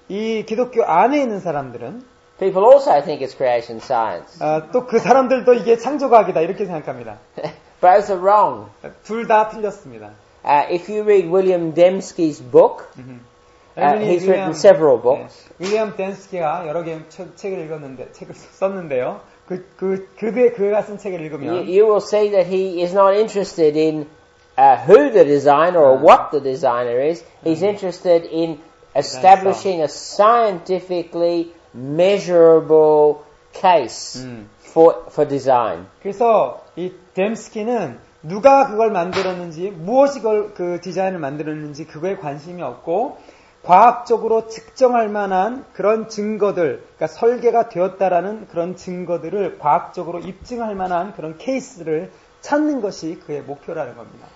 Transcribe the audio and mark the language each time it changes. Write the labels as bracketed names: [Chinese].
[Korean] 이 기독교 안에 있는 사람들은 [English] people also think it's creation science. [Korean] 또 그 사람들도 이게 창조과학이다 이렇게 생각합니다. [English] Both are wrong. [Korean] 둘 다 틀렸습니다. [English] If you read William Dembski's book, he's written several books. [Korean] 네. William Dembski가 여러 개의 책을 읽었는데 책을 썼는데요. 그가 쓴 책을 읽으면 [English] you will see that he is not interested in who the designer or what the designer is. He's interested in establishing a scientifically measurable case for design. [Korean] 그래서 이 뎀스키는 누가 그걸 만들었는지, 무엇이 그걸 그 디자인을 만들었는지 그거에 관심이 없고 과학적으로 측정할 만한 그런 증거들, 그러니까 설계가 되었다라는 그런 증거들을 과학적으로 입증할 만한 그런 케이스를 찾는 것이 그의 목표라는 겁니다.